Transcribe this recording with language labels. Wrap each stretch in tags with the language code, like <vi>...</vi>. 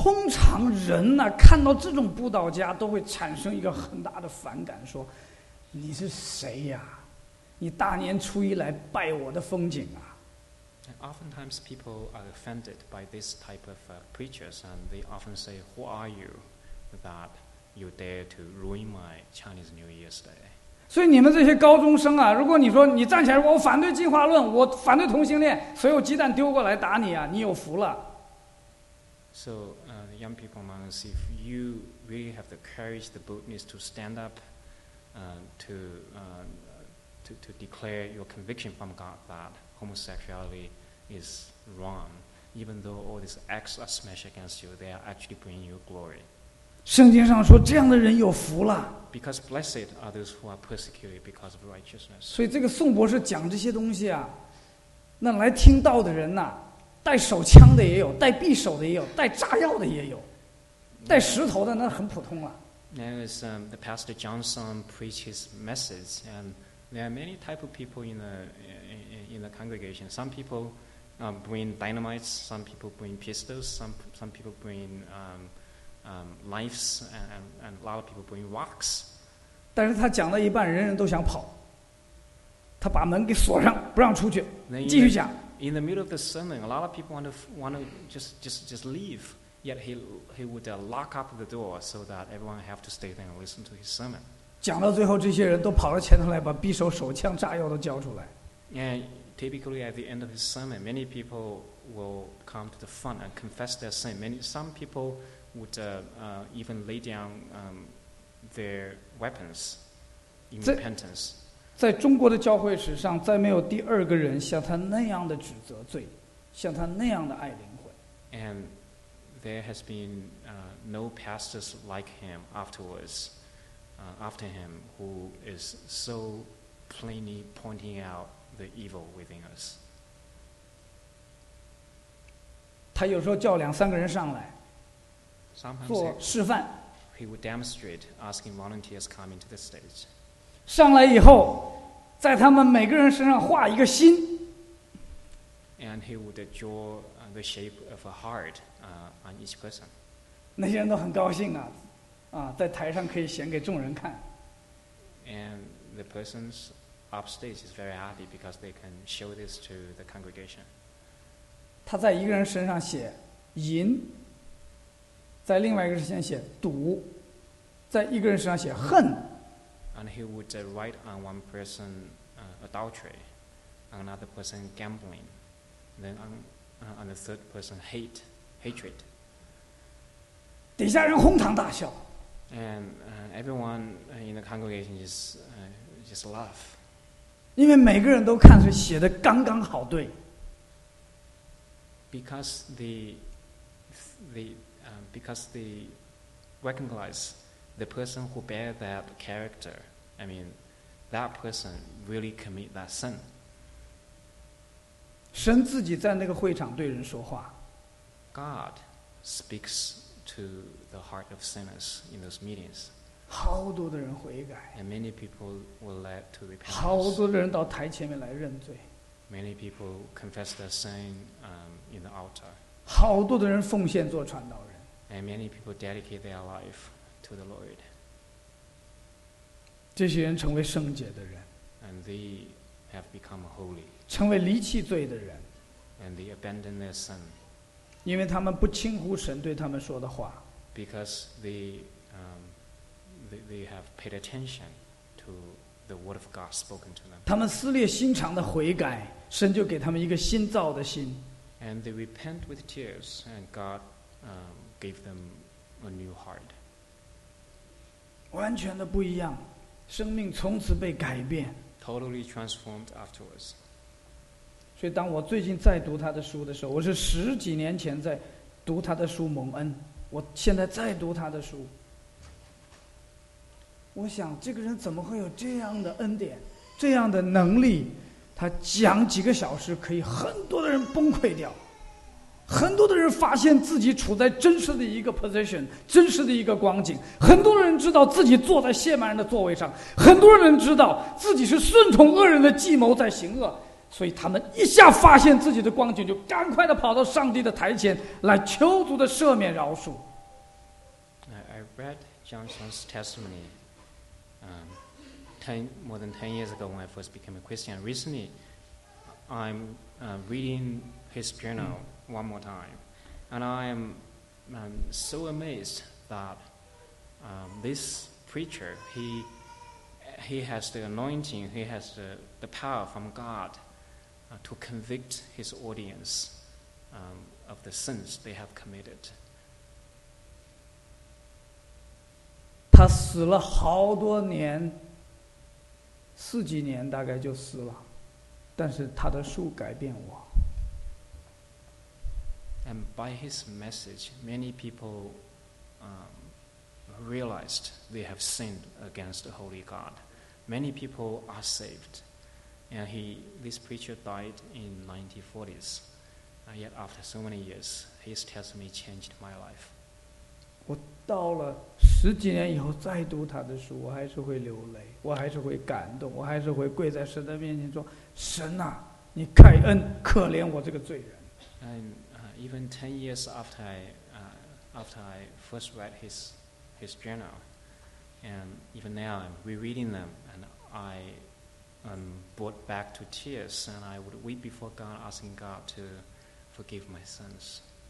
<zh>通常人呢、啊，看到这种布道家都会产生一个很大的反感，说你是谁呀、啊？你大年初一来拜我的风景啊？</zh> <en>And oftentimes people are offended by this type of preachers, and they often say, "Who are you that you dare to ruin my Chinese New Year's Day?"</en> <zh>所以你们这些高中生啊，如果你说你站起来，我反对进化论，我反对同性恋，所有鸡蛋丢过来打你啊，你有福了。</zh> <en>So, young people, man, if you really have the courage, the boldness to stand up, to declare your conviction from God that homosexuality is wrong, even though all these acts are smashed against you, they are actually bringing you glory.</en> <zh>圣经上说这样的人有福了。</zh> <en>Because blessed are those who are persecuted because of righteousness.</en> <zh>所以这个宋博士讲这些东西啊，那来听道的人呐、啊，带手枪的也有，带匕首的也有，带炸药的也有，带石头的那很普通了。</zh> <en>Now as the pastor Johnson preaches message, and there are many type of people in the congregation. Some people bring dynamites, some people bring pistols, some people bring knives, and a lot of people bring rocks.</en> <zh>但是他讲到一半，人人都想跑，他把门给锁上，不让出去，继续讲。</zh> <en>In the middle of the sermon, a lot of people want to just leave. Yet he would lock up the door so that everyone have to stay there and listen to his sermon.</en> <zh>讲到最后，这些人都跑到前头来，把匕首、手枪、炸药都交出来。</zh> <en>And typically at the end of his sermon, many people will come to the front and confess their sin. Some people would even lay down their weapons in repentance.</en> <zh>在中国的教会史上，再没有第二个人像他那样的指责罪，像他那样的爱灵魂。</zh> <en>And there has been no pastors like him after him, who is so plainly pointing out the evil within us.</en> <zh>他有时候叫两三个人上来做示范。</zh> <en>He would demonstrate asking volunteers come into the stage.</en> <zh>上来以后，在他们每个人身上画一个心。</zh> <en>And he would draw the shape of a heart on each person.</en> <zh>那些人都很高兴啊，啊，在台上可以显给众人看。</zh> <en>And the persons. Upstage is very happy because they can show this to the congregation.</en> <zh>他在一个人身上写淫，在另外一个人身上写毒，在一个人身上写恨。</zh> <en>And he would write on one person adultery, on another person gambling, then on the third person hate, hatred.</en> <zh>底下人哄堂大笑。</zh> <en>And everyone in the congregation just laugh.</en> <zh>因为每个人都看是写的刚刚好对。</zh> <en>Because they recognize the person who bear that character, I mean, that person really commit that sin.</en> <zh>神自己在那个会场对人说话。</zh> <en>God speaks to the heart of sinners in those meetings.</en> <zh>好多的人悔改。</zh> <en>And many people were led to repent.</en> <zh>好多的人到台前面来认罪。</zh> <en>Many people confessed their sin in the altar.</en> <zh>好多的人奉献做传道人。</zh> <en>And many people dedicate their life to the Lord.</en> <zh>这些人成为圣洁的人。</zh> <en>And they have become holy.</en> <zh>成为离弃罪的人。</zh> <en>And they abandon their sin.</en> <zh>因为他们不轻忽神对他们说的话。</zh> <en>Because they have paid attention to the word of God spoken to them.</en> <zh>他们撕裂心肠的悔改，神就给他们一个新造的心。</zh> <en>And they repent with tears, and God gave them a new heart.</en> <zh>完全的不一样，生命从此被改变。</zh> <en>Totally transformed afterwards.</en> <zh>所以当我最近在读他的书的时候，我是十几年前在读他的书蒙恩，我现在在读他的书。我想这个人怎么会有这样的恩典，这样的能力，他讲几个小时可以很多的人崩溃掉，很多的人发现自己处在真实的一个 position， 真实的一个光景，很多人知道自己坐在亵慢人的座位上，很多人知道自己是顺从恶人的计谋在行恶，所以他们一下发现自己的光景，就赶快地跑到上帝的台前来求主的赦免饶恕。</zh> <en>I read Johnson's testimony more than 10 years ago when I first became a Christian. Recently, I'm reading his journal one more time. And I'm so amazed that this preacher, he has the anointing, he has the power from God to convict his audience of the sins they have committed.</en> <zh>他死了好多年，四几年大概就死了，但是他的书改变我。</zh> <en>And by his message, many people realized they have sinned against the Holy God. Many people are saved. And this preacher died in 1940s. Yet after so many years, his testimony changed my life.</en> <zh>我到了十几年以后再读他的书，我还是会流泪，我还是会感动，我还是会跪在神的面前说，神啊，你开恩，可怜我这个罪人。</zh> <en>Even 10 years after I first read his journal, and even now I'm rereading them, and I am brought back to tears, and I would weep before God, asking God to forgive my sins.</en>